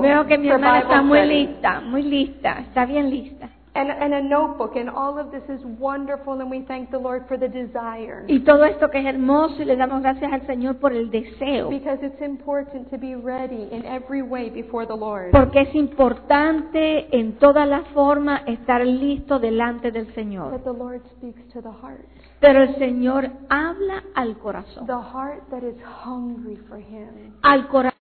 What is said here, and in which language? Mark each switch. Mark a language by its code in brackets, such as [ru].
[es] Veo que mi hermana está muy lista, está bien lista. [en] And a notebook, and all of this is wonderful, and we thank the Lord for the desire. [es] Y todo esto que es hermoso, y le damos gracias al Señor por el deseo. [en] Because it's important to be ready in every way before the Lord. [es] Porque es importante en toda la forma estar listo delante del Señor. [en] But the Lord speaks to the heart. [es] Pero el Señor habla al corazón. [en] The heart that is hungry for Him. [es] Al corazón.